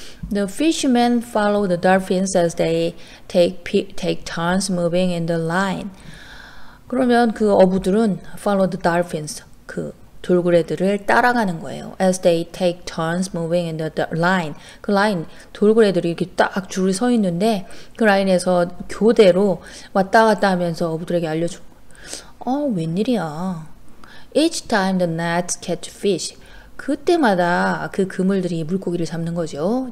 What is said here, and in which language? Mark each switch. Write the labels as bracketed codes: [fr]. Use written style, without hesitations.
[en] The fishermen follow the dolphins as they take turns moving in the line. [ko] 그러면 그 어부들은 follow the dolphins. 그 돌고래들을 따라가는 거예요. [en] As they take turns moving in the line. [ko] 그 라인, 돌고래들이 이렇게 딱 줄을 서 있는데 그 라인에서 교대로 왔다 갔다 하면서 어부들에게 알려줘. [en] 웬일이야. Each time the nets catch fish. [ko] 그때마다 그 그물들이 물고기를 잡는 거죠.